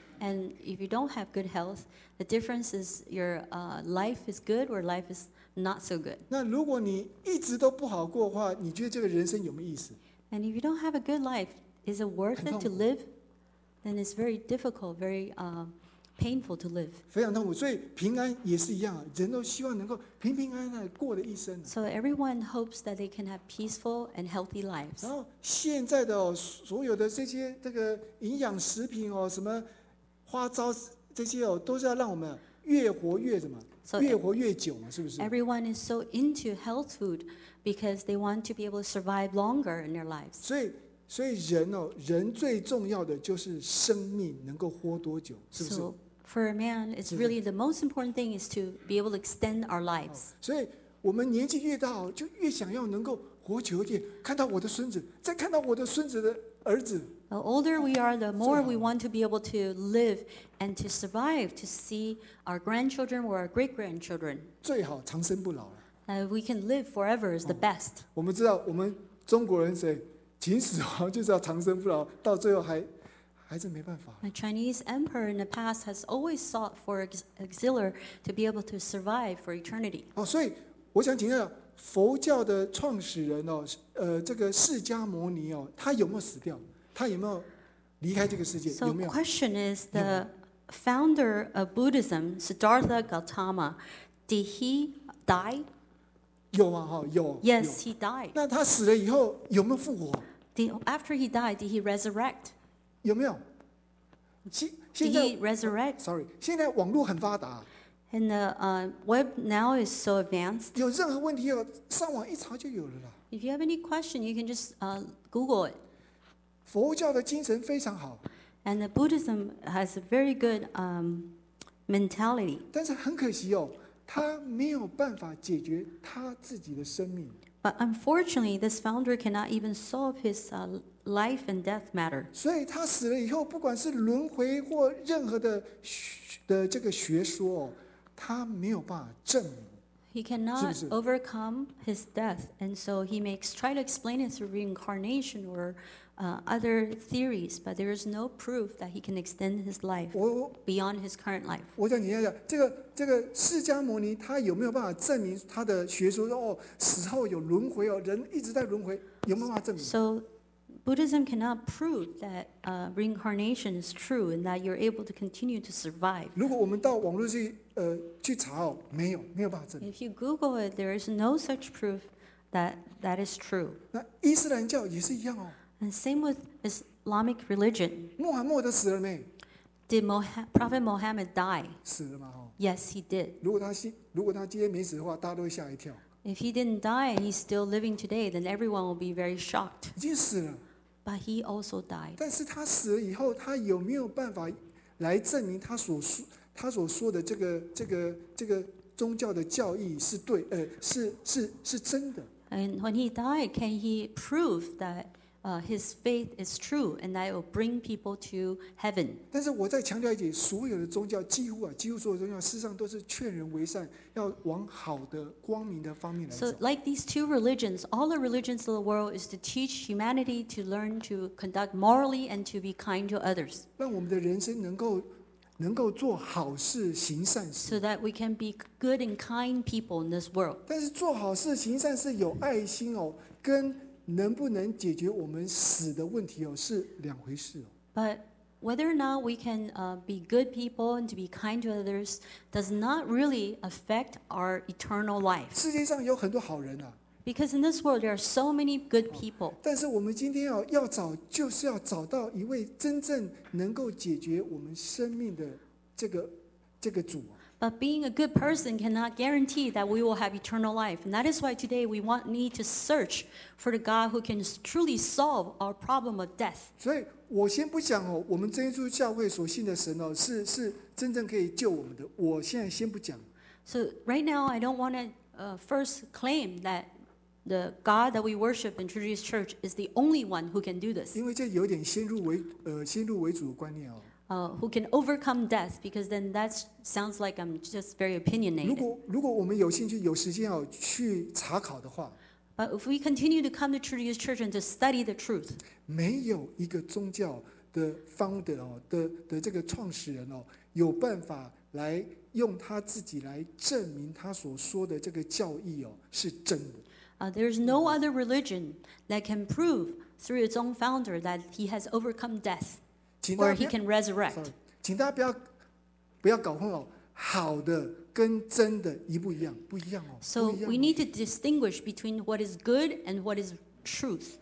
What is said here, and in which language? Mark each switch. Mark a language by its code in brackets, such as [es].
[en] And if you don't have good health, the difference is your life is good or life is not so good. [zh] 那如果你一直都不好过的话，你觉得这个人生有没有意思？ [en] And if you don't have a good life, is it worth it to live? Then it's very difficult, very painful to live. [zh] 非常痛苦，所以平安也是一样，人都希望能够平平安安过的一生。 [en] So everyone hopes that they can have peaceful and healthy lives. [zh] 然后现在的所有的这些这个营养食品哦，什么花招这些哦，都是要让我们越活越什么，越活越久嘛，是不是 [en] ？Everyone is so into health food because they want to be able to survive longer in their lives. [zh] 所以人哦，人最重要的就是生命能够活多久，是不是 [en] ？For a man, it's really the most important thing is to be able to extend our lives. [zh] 所以我们年纪越大，就越想要能够活久一点，看到我的孙子，再看到我的孙子的儿子。 [en] The older we are, the more we want to be able to live and to survive, to see our grandchildren or our great-grandchildren. [zh] 最好长生不老了。 [en] We can live forever is the best. [zh] 我们知道我们中国人谁秦始皇就是要长生不老，到最后还是没办法。 [en] The Chinese emperor in the past has always sought for exilor to be able to survive for eternity. [zh] 所以我想请教佛教的创始人这个释迦牟尼他有没有死掉？他有没有离开这个世界？有没有？ [en] So question is the founder of Buddhism, Siddhartha Gautama, did he die? [zh] 有吗？哈，有。 [en] Yes, he died. [zh] 那他死了以后有没有复活？ [en] After he died, did he resurrect? [zh] 有没有？ [en] Did he resurrect? Sorry, [zh] 现在网络很发达。 [en] And the web now is so advanced. [zh] 有任何问题上网一查就有了啦。 [en] If you have any question, you can just Google it. [zh] 佛教的精神非常好 [en] ，and the Buddhism has a very good mentality. [zh] 但是很可惜哦，他没有办法解决他自己的生命。 [en] But unfortunately, this founder cannot even solve his life and death matter. [zh] 所以他死了以后，不管是轮回或任何的这个学说，他没有办法证明。 [en] He cannot overcome his death, and so he makes try to explain it through reincarnation or other theories, but there is no proof that he can extend his life beyond his current life. [zh] 我想你要讲这个释迦牟尼，他有没有办法证明他的学说说死后有轮回人一直在轮回，有没有办法证明 [en] ？So Buddhism cannot prove that reincarnation is true and that you're able to continue to survive. [zh] 如果我们到网络去查没有办法证明。 [en] If you Google it, there is no such proof that is true. [zh] 那伊斯兰教也是一样 [en] And same with Islamic religion. [zh] Muhammad 死了没？ [en] Did Prophet Muhammad die? [zh] 死了吗？ [en] Yes, he did. [zh] 如果他今天没死的话，大家都会吓一跳。 [en] If he didn't die and he's still living today, then everyone will be very shocked. [zh] 已经死了。 [en] But he also died. [zh] 但是他死了以后，他有没有办法来证明他所说的这个宗教的教义是对？是真的。 [en] And when he died, can he prove that? His faith is true, and that it will bring people to heaven. [zh] 但是我再强调一点，所有的宗教几乎所有的宗教，事实上都是劝人为善，要往好的、光明的方面来走。 [en] So, like these two religions, all the religions of the world is to teach humanity to learn to conduct morally and to be kind to others. [zh] 让我们的人生能够做好事、行善事。 [en] So that we can be good and kind people in this world. [zh] 但是做好事、行善事有爱心跟能不能解决我们死的问题是两回事 [en] But whether or not we can be good people and to be kind to others does not really affect our eternal life. [zh] 世界上有很多好人 [en] Because in this world there are so many good people. [zh] 但是我们今天要找，就是要找到一位真正能够解决我们生命的这个主。 [en] But being a good person cannot guarantee that we will have eternal life. And that is why today we need to search for the God who can truly solve our problem of death. [zh] 所以我先不讲我们真耶稣教会所信的神是真正可以救我们的。我现在先不讲。 [en] So right now I don't want to first claim that the God that we worship in Trinity Church is the only one who can do this. [zh] 因为这有点先入为主的观念 [en] Who can overcome death? Because then that sounds like I'm just very opinionated. [zh] 如果我们有兴趣有时间去查考的话 [en] ，But if we continue to come to Trinity Church and to study the truth, [zh] 没有一个宗教的 [en] founder [zh] 的这个创始人有办法来用他自己来证明他所说的这个教义是真的。 [en] There is no other religion that can prove through its own founder that he has overcome death or he can resurrect. [zh] 请大家不要搞混好的跟真的一不一样，不一样。 [en] So we need to distinguish between what is good and what is truth.